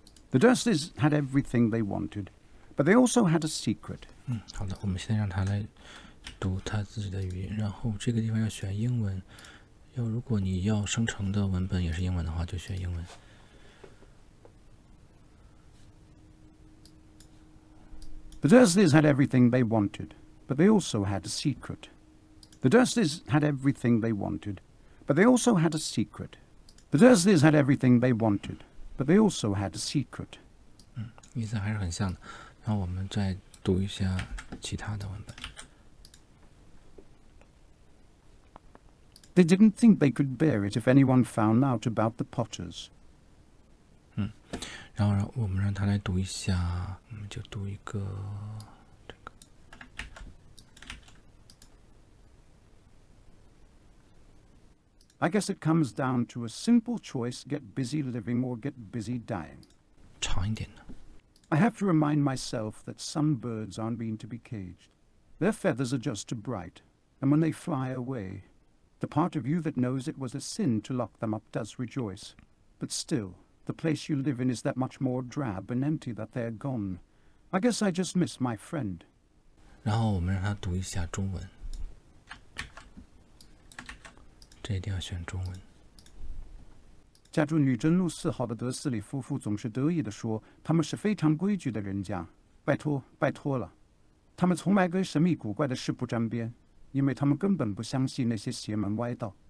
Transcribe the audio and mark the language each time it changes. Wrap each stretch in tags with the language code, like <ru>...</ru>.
<en>The Dursleys had everything they wanted, but they also had a secret.</en> <zh>好的，我们现在让它来读它自己的语音，然后这个地方要选英文，要如果你要生成的文本也是英文的话，就选英文。</zh> <en>The Dursleys had everything they wanted, but they also had a secret. The Dursleys had everything they wanted, but they also had a secret. The Dursleys had everything they wanted, but they also had a secret.</en> <zh>意思还是很像的，然后我们再读一下其他的文本。</zh> <en>They didn't think they could bear it if anyone found out about the Potters.</en> <zh>然后让我们让他来读一下，我们就读一个这个。</zh> <en>I guess it comes down to a simple choice: get busy living or get busy dying.</en> <zh>长一点呢。</zh> <en>I have to remind myself that some birds aren't meant to be caged. Their feathers are just too bright, and when they fly away, the part of you that knows it was a sin to lock them up does rejoice. But still, the place you live in is that much more drab and empty that they're gone. I guess I just miss my friend.</en> <zh>然后我们让他读一下中文，这一定要选中文。家住女真路4号的德斯里夫妇总是得意地说：“他们是非常规矩的人家。拜托，拜托了。他们从来跟神秘古怪的事不沾边，因为他们根本不相信那些邪门歪道。</zh>